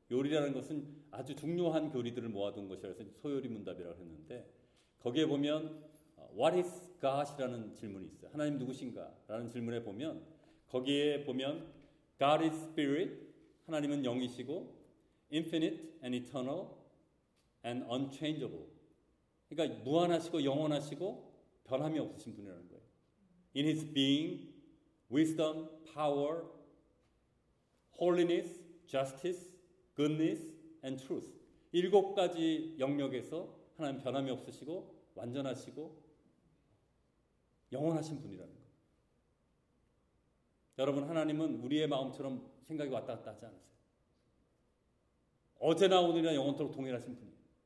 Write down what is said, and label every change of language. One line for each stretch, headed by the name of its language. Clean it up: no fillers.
Korean: 요리라는 것은 아주 중요한 교리들을 모아둔 것이라서 소요리 문답이라고 했는데 거기에 보면
English: What is God
Korean: 이라는 질문이 있어요. 하나님 누구신가? 라는 질문에 보면 거기에 보면
English: God is spirit,
Korean: 하나님은 영이시고
English: infinite and eternal and unchangeable,
Korean: 그러니까 무한하시고 영원하시고 변함이 없으신 분이라는 거예요.
English: In his being, wisdom, power, holiness, justice, goodness, and truth.
Korean: 일곱 가지 영역에서 하나님 변함이 없으시고 완전하시고 영원하신 분이라는 거예요. 여러분, 하나님은 우리의 마음처럼 생각이 왔다 갔다 하지 않으세요. 어제나 오늘이나 영원토록 동일하신 분이에요.